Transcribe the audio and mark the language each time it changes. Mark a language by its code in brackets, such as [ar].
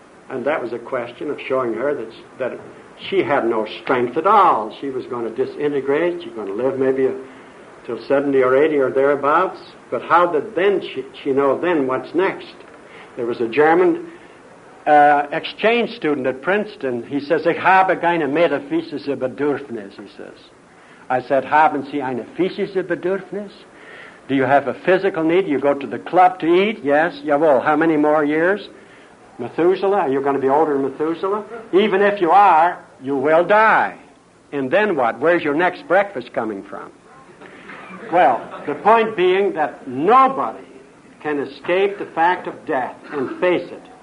[en] And that was a question of showing her that she had no strength at all. She was going to disintegrate. She was going to live maybe till 70 or 80 or thereabouts. But how did then she know then what's next? There was a German exchange student at Princeton. [de] He says, Ich habe keine metaphysische Bedürfnis, [en] he says. I said, [de] Haben Sie eine physische Bedürfnis? [en] Do you have a physical need? You go to the club to eat? Yes. Jawohl. How many more years? Methuselah? Are you going to be older than Methuselah? Even if you are, you will die. And then what? Where's your next breakfast coming from? Well, the point being that nobody can escape the fact of death and face it.